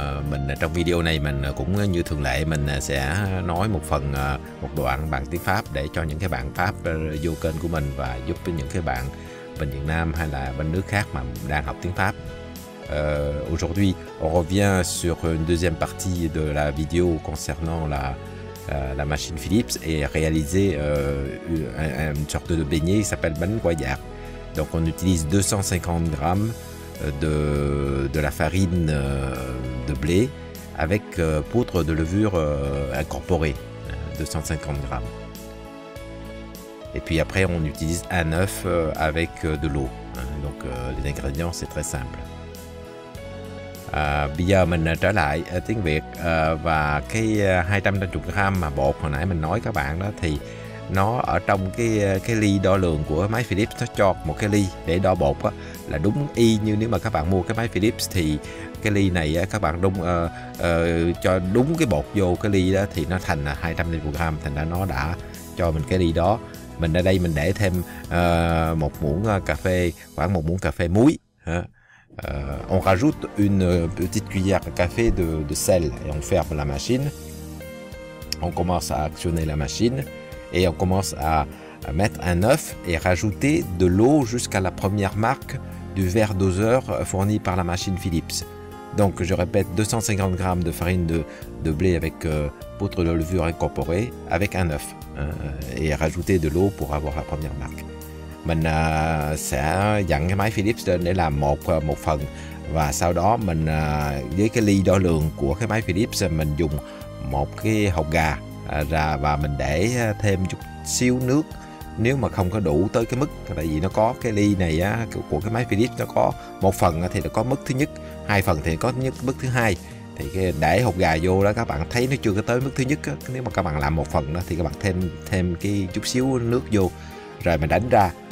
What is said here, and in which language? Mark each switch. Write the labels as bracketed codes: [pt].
[vi] Mình trong video này mình cũng như thường lệ mình sẽ nói một phần, một đoạn bằng tiếng Pháp để cho những cái bạn Pháp vô kênh của mình và giúp cho những cái bạn bên Việt Nam hay là bên nước khác mà đang học tiếng Pháp. [fr] Aujourd'hui, on revient sur une deuxième partie de la vidéo concernant la machine Philips et réaliser une sorte de beignet qui s'appelle bánh quai giạc. Donc on utilise 250 grammes de la farine de blé avec poudre de levure incorporée, 250 grammes. Et puis après, on utilise un œuf avec de l'eau. Donc, les ingrédients, c'est très simple. [vi] Bây giờ mình trở lại tiếng Việt, và cái 250g mà bột hồi nãy mình nói các bạn đó, thì nó ở trong cái ly đo lường của máy Philips, nó cho một cái ly để đo bột đó, là đúng y như nếu mà các bạn mua cái máy Philips thì cái ly này các bạn đúng cho đúng cái bột vô cái ly đó thì nó thành 250g, thành ra nó đã cho mình cái ly đó. Mình ở đây mình để thêm một muỗng cà phê, khoảng một muỗng cà phê muối. [fr] On rajoute une petite cuillère à café de sel et on ferme la machine. On commence à actionner la machine et on commence à mettre un œuf et rajouter de l'eau jusqu'à la première marque du verre doseur fourni par la machine Philips. Donc je répète, 250 g de farine de blé avec poudre de levure incorporée avec un œuf et rajouter de l'eau pour avoir la première marque. [vi] Mình sẽ dặn cái máy Philips lên để làm một phần, và sau đó mình với cái ly đo lường của cái máy Philips mình dùng một cái hộp gà ra và mình để thêm chút xíu nước, nếu mà không có đủ tới cái mức, tại vì nó có cái ly này của cái máy Philips nó có một phần thì nó có mức thứ nhất, hai phần thì có nhất mức thứ hai, thì cái để hộp gà vô đó các bạn thấy nó chưa có tới mức thứ nhất, nếu mà các bạn làm một phần đó thì các bạn thêm cái chút xíu nước vô rồi mình đánh ra.